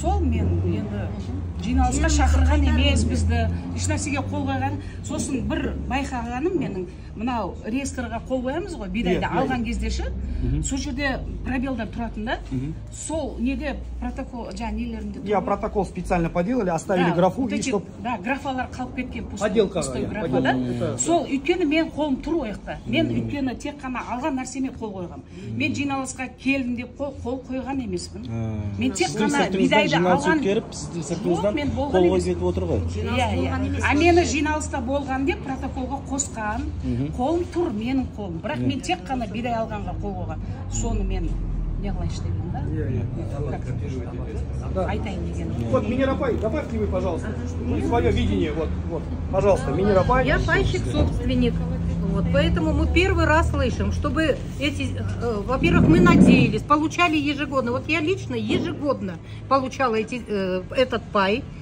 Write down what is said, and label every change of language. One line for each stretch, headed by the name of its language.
Kazakh: Сол мен енді жиналысқа шақырған емес бізді, ешнәрсеге қол қойған. Сосын бір байқағаным менің, мынау реестрға қол қоямыз ғой, бидайды алған кездеші. Сол жерде пробелдар тұратында, сол неде протокол, жаңа нелерімді тұрды.
Russian: Я протокол специально поделали, оставили графу.
Kazakh: Да, графалар қалып кеткен
Russian: пустой
Kazakh: графада. Сол үйткені мен қолым тұр ояқта. Мен үйткені тек қана алған нәрсеме қол қойғам. Мен жиналысқа келдім деп қол қойған емеспін. Мен тек қана бидайды алған. Сіздің сыртыңыздан қол қойып отыр ғой. А мені жиналыста болған деп протоколға қосқан. Қолым тұр, менің қолым. Бірақ мен тек қана бидай алғанға қол қойған. Соны мен неғылай іштеп едім, да? Айтайын дегенім.
Russian: Вот, Минера апай, добавьте вы, пожалуйста, свое видение. Вот, пожалуйста, Минера апай. Я пайщик-собственник. Вот, поэтому мы первый раз слышим, чтобы эти, во-первых, мы надеялись, получали ежегодно. Вот я лично ежегодно получала этот пай.